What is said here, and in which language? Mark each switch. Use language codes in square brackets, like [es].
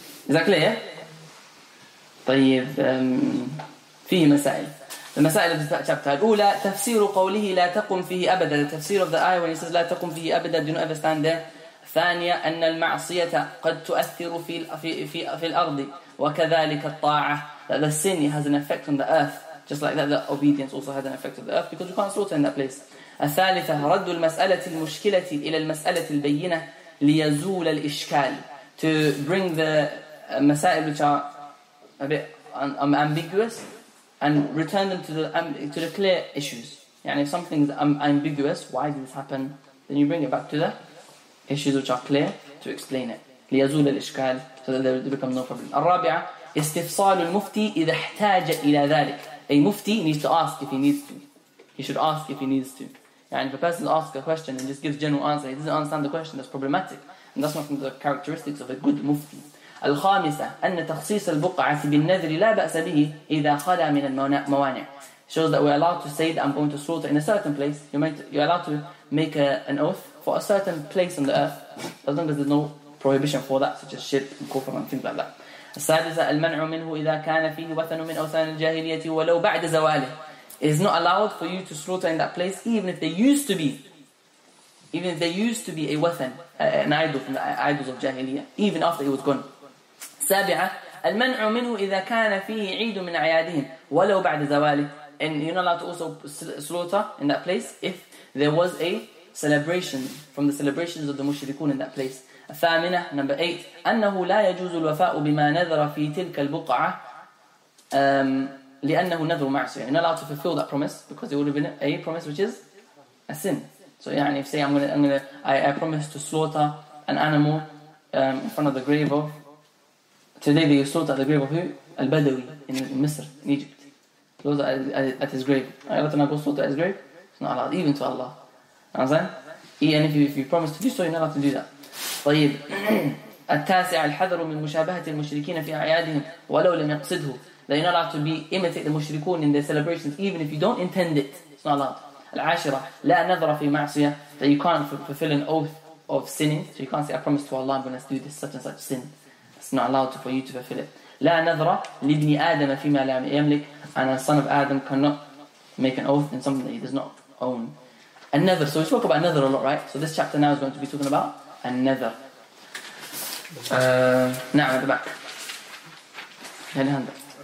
[ar] ذكر إيه؟ طيب. فيه مسائل. المسائل في الشابتر الأولى تفسير قوله لا تقم فيه أبدا. [en] The tafsir of the ayah when he says [ar] لا تقم فيه أبدا. [en] Do you not understand there? [ar] ثانية أن المعصية قد تؤثر في في في في الأرض وكذلك الطاعة. [en] That the sin has an effect on the earth, just like that the obedience also had an effect on the earth because you can't slaughter in that place. [ar] الثالثة رد المسألة المشكلة إلى المسألة البينة ليزول الإشكال. [en] To bring the مسائل which are a bit ambiguous and return them to the clear issues. يعني if something is ambiguous, why did this happen? Then you bring it back to the issues which are clear to explain it. [ar] ليزول الإشكال [en] so that there becomes no problem. [ar] الرابعة استفصال المفتي إذا احتاج إلى ذلك. [en] A مفتي needs to ask if he needs to. He should ask if he needs to. And if a person asks a question and just gives general answer, he doesn't understand the question, that's problematic. And that's not from the characteristics of a good مفتي. [ar] الخامسة أن تخصيص البقعة بالنذر لا بأس به إذا خلا من الموانع. [en] Shows that we're allowed to say that I'm going to slaughter in a certain place. You're allowed to make an oath for a certain place on the earth, as long as there's no prohibition for that, such as shirk and kufr and things like that. [ar] السادسة المنع منه إذا كان فيه وثن من أوثان الجاهلية ولو بعد زواله. [en] It's not allowed for you to slaughter in that place, even if there used to be a wathan, an idol from the idols of Jahiliya, even after he was gone. [ar] سابعة المنع منه إذا كان فيه عيد من أعيادهم ولو بعد زواله. [en] And you're not allowed to also slaughter in that place if there was a celebration from the celebrations of the mushrikun in that place. [ar] الثامنة [en] number 8 [ar] أنه لا يجوز الوفاء بما نذر في تلك البقعة لأنه نذر معصية. [en] You're not allowed to fulfill that promise because it would have been a promise which is a sin. So يعني if say I promise to slaughter an animal in front of the grave of today they slaughter the grave of who? Al-Badawi in Misr, in Egypt. Those at his grave. I let him go slaughter at his grave. It's not allowed even to Allah. And if you promise to do so, you're not allowed to do that. [ar] طيب التاسع الحذر من مشابهة المشركين في أعيادهم ولو لم يقصده. [en] That you're not allowed to imitate the mushrikun in their celebrations even if you don't intend it. It's not allowed. [ar] العاشرة لا نذر في معصية. [en] That you can't fulfill an oath of sinning. So you can't say I promise to Allah I'm going to do this such and such sin. It's not allowed for you to fulfill it. [ar] لا نذر لابن آدم فيما لا يملك. [en] And a son of Adam cannot make an oath in something that he does not own. Another. So we spoke about another a lot, right? So this chapter now is going to be talking about another. Now at the back. Any hand up?